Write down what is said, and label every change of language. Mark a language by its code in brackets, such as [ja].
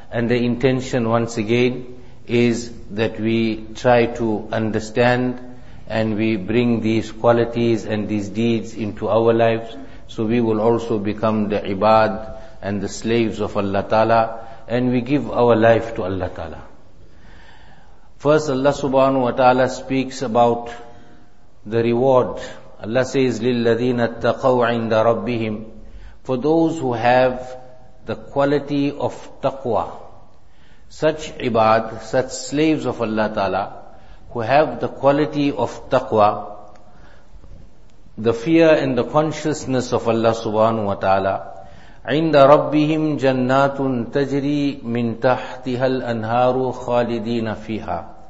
[en] And the intention once again is that we try to understand and we bring these qualities and these deeds into our lives, so we will also become the ibad and the slaves of Allah ta'ala, and we give our life to Allah ta'ala. First, Allah subhanahu wa ta'ala speaks about the reward. [ar] Allah says, لِلَّذِينَ اتَّقَوْ عِنْدَ رَبِّهِمْ. [en] For those who have the quality of taqwa, such ibad, such slaves of Allah ta'ala, who have the quality of taqwa, the fear and the consciousness of Allah subhanahu wa ta'ala, [ar] عِنْدَ رَبِّهِمْ جَنَّاتٌ تَجْرِي مِنْ تَحْتِهَا الْأَنْهَارُ خَالِدِينَ فِيهَا.